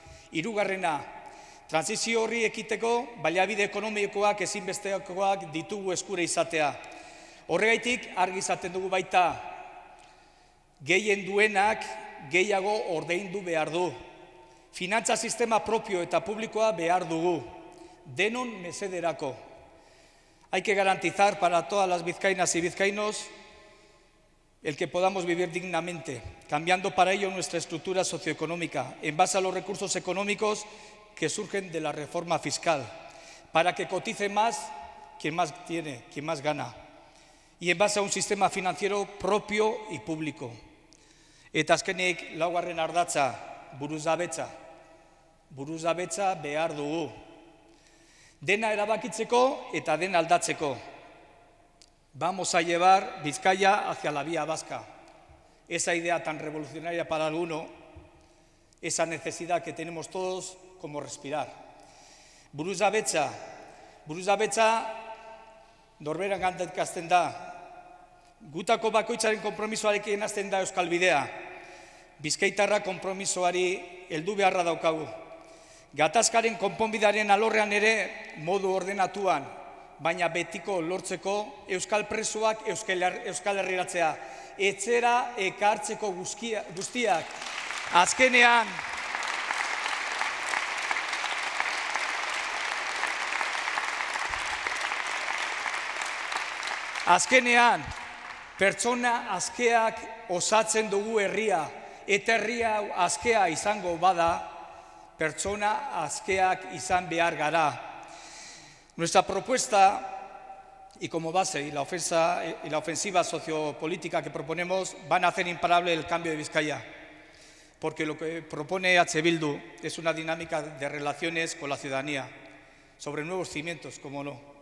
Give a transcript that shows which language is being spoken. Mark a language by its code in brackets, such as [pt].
[eu] Hirugarrena, transizio horri ekiteko baliabide ekonomikoak ezinbestekoak ditugu eskura izatea. Horregaitik, argi izaten dugu baita, gehien duenak gehiago ordaindu behar du. Finantza sistema propio eta publikoa behar dugu, denon mesederako. [es] Hay que garantizar para todas las vizcainas y vizcainos el que podamos vivir dignamente, cambiando para ello nuestra estructura socioeconómica, en base a los recursos económicos que surgen de la reforma fiscal, para que cotice más quien más tiene, quien más gana, y en base a un sistema financiero propio y público. [eu] Eta azkenik, laugarren ardatza, buruzabetza. Buruzabetza behar dugu. Dena erabakitzeko eta dena aldatzeko. [es] Vamos a llevar Bizkaia hacia la vía vasca. Esa idea tan revolucionaria para alguno, esa necesidad que tenemos todos como respirar. [eu] Buruzabetza, buruzabetza norberan gantzatzen da. Gutako bakoitzaren konpromisoarekin hasten da Euskal Bidea. Bizkaitarra konpromisoari heldu beharra daukagu. Gatazkaren konponbidearen alorrean ere modu ordenatuan, baina betiko lortzeko Euskal presoak Euskal Herriratzea, etxera ekartzeko guztiak. Azkenean, azkenean, pertsona askeak osatzen dugu herria, eta herria askea izango bada, pertsona askeak izan behar gara. [es] Nuestra propuesta, y como base, y la ofensiva sociopolítica que proponemos, van a hacer imparable el cambio de Bizkaia, porque lo que propone EH Bildu es una dinámica de relaciones con la ciudadanía, sobre nuevos cimientos, como no.